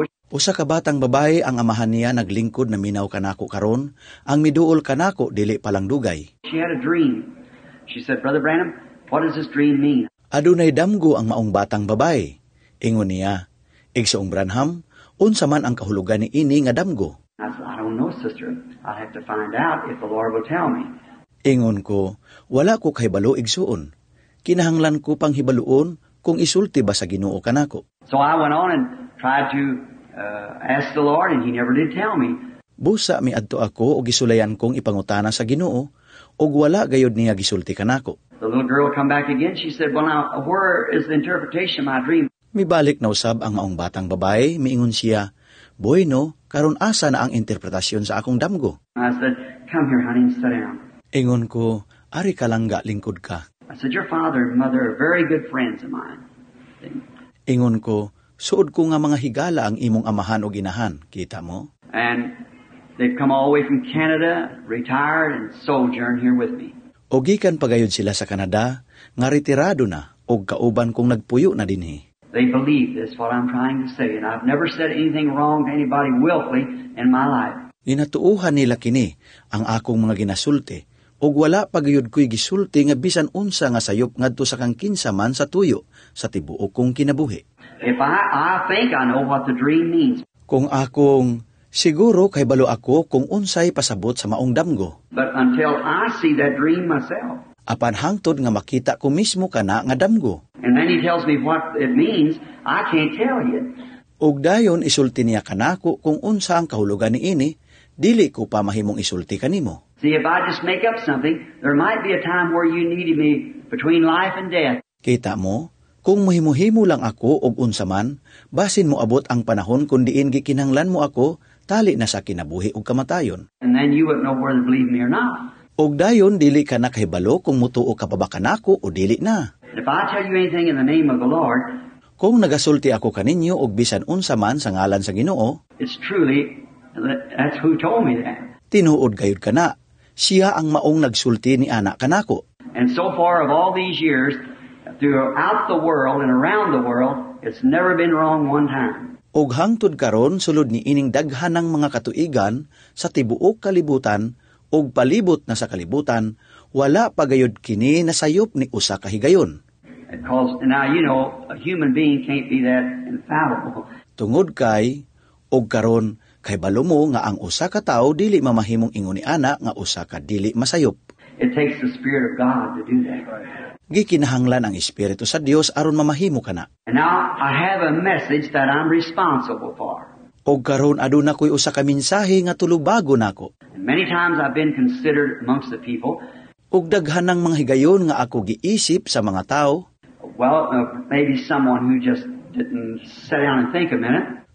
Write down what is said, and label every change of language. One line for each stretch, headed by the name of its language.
Cebuano: Usa ka batang babae ang amahan niya naglingkod na minaw kanako karon, ang miduol kanako dili pa lang dugay.
English: She had a dream. She said, Brother Branham, what does this dream mean?
Cebuano: Adunay damgo ang maong batang babae. Ingon niya, Igsoong Branham, unsa man ang kahulugan ni ini nga damgo?
English: I don't know, sister. I'll have to find out if the Lord will tell me.
Cebuano: Ingon ko, wala ko kay balo igsuon. Kinahanglan ko pang hibaluon kung isulti ba sa Ginoo kanako.
English: So I went on and tried to ask the Lord and he never did tell me.
Cebuano: Busa mi adto ako og gisulayan kong ipangutana sa Ginoo og wala gayud niya gisulti kanako.
English: The little girl come back again. She said, "Well, now where is the interpretation of my dream?"
Cebuano: Mibalik na usab ang maong batang babae, miingon siya, "Bueno, karon asa na ang interpretasyon sa akong damgo?"
English: I said, "Come here, honey, and sit down."
Cebuano: Ingon ko, "Ari ka lang ga, lingkod ka."
English: I said, "Your father and mother are very good friends of mine."
Cebuano: Ingon ko, "Suod ko nga mga higala ang imong amahan o ginahan, kita mo?"
English: And they've come all the way from Canada, retired, and sojourn here with me.
Cebuano: Ogikan pagayod sila sa Canada, nga retirado na, og kauban kong nagpuyo na dinhi.
English: They believe this, what I'm trying to say, and I've never said anything wrong to anybody willfully in my life.
Cebuano: Ginatuuhan nila kini ang akong mga ginasulti. ug wala pagayod ko'y gisulti nga bisan unsa nga sayop ngadto sa kang kinsa man sa tuyo sa tibuok kong kinabuhi.
English: If I think I know what the dream means.
Cebuano: Kung akong siguro kay balo ako kung unsay pasabot sa maong damgo.
English: But until I see that dream myself.
Cebuano: Apan hangtod nga makita ko mismo kana nga damgo.
English: And then he tells me what it means, I can't tell you.
Cebuano: Ug dayon isulti niya kanako kung unsa ang kahulugan niini, dili ko pa mahimong isulti kanimo.
English: See, if I just make up something, there might be a time where you needed me between life and death.
Cebuano: Kita mo, kung mahimuhimo lang ako og unsa man, basin mo abot ang panahon kun diin gikinanglan mo ako, tali na sa kinabuhi og kamatayon.
English: And then you would know whether to believe me or not.
Cebuano: Og dayon dili ka nakahibalo kung mutuo ka babakan ako o dili na.
English: If I tell you anything in the name of the Lord,
Cebuano: kung nagasulti ako kaninyo og bisan unsa man sa ngalan sa Ginoo,
English: it's truly that's who told me that.
Cebuano: Tinuod gayud kana, siya ang maong nagsulti ni anak kanako.
English: And so far of all these years throughout the world and around the world, it's never been wrong one time.
Cebuano: Og hangtod karon sulod ni ining daghan ng mga katuigan sa tibuok kalibutan og palibot na sa kalibutan, wala pagayod kini na sayop ni usa ka higayon.
English: Because now you know a human being can't be that infallible.
Cebuano: Tungod kay og karon kay balo mo nga ang usa ka tawo dili mamahimong inguni ana nga usa ka dili masayop.
English: It takes the Spirit of God to do that.
Cebuano: Gikinahanglan ang Espiritu sa Dios aron mamahimo kana.
English: And now I have a message that I'm responsible for.
Cebuano: Og karon aduna koy usa ka mensahe nga tulubago nako.
English: Many times I've been considered amongst the people.
Cebuano: Og daghan ng mga higayon nga ako giisip sa mga tao.
English: Well, maybe someone who just didn't sit down and think a minute.